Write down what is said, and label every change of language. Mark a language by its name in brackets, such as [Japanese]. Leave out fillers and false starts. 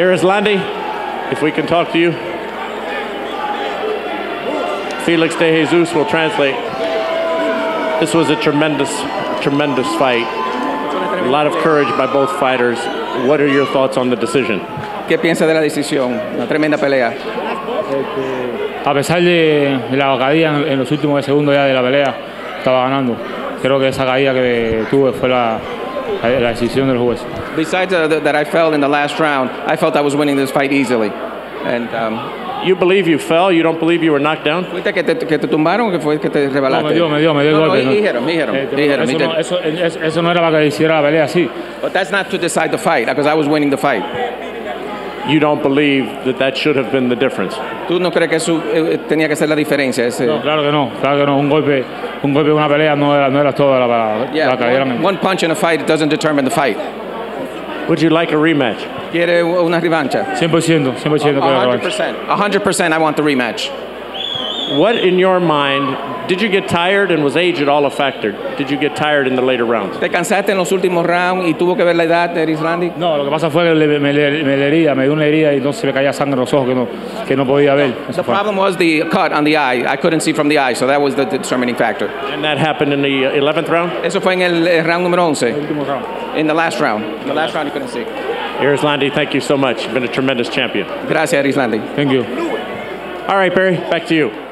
[English] Erislandy, if we can talk to you. Felix De Jesus will translate. This was a tremendous, tremendous fight. A lot of courage by both fighters. What are your thoughts on the decision? [Spanish] ¿Qué piensa de la decisión? Una tremenda pelea. A pesar de la caída en los últimos segundos ya de la pelea, estaba ganando. Creo que esa caída que tuve fue la decisión del juez. [English] Besides that I fell in the last round, I felt I was winning this fight easily. And you believe you fell? You don't believe you were knocked down? [Spanish] ¿Fuiste que te tumbaron o que fue que te rebalaste? No, me dio no, golpe. No, dijeron. Eso no era para que hiciera la pelea así. [English] But that's not to decide the fight, because I was winning the fight. You don't believe that should have been the difference? [Spanish] ¿Tú no crees que eso tenía que ser la diferencia? Ese? No, claro que no. Un golpe una pelea no era toda la para [English] yeah, [Spanish] caer. [English] One punch in a fight doesn't determine the fight. Would you like a rematch? [Spanish] ¿Quiere una revancha? 100%. [English] 100%, I want the rematch. What in your mind, did you get tired and was age at all a factor? Did you get tired in the later rounds? [Spanish] ¿Te cansaste en los últimos rounds y tuvo que ver la edad de Erislandy? No, lo que pasa fue que me dio una herida y entonces me caía sangre en los ojos que no podía ver. [English] The problem was the cut on the eye. I couldn't see from the eye, so that was the determining factor. And that happened in the 11th round? [Spanish] Eso fue en el round número 11. El último round. [English] In the last round. In the last round you couldn't see. Erislandy, thank you so much. You've been a tremendous champion. [Spanish] Gracias, Erislandy. [English] Thank you. All right, Barry, back to you.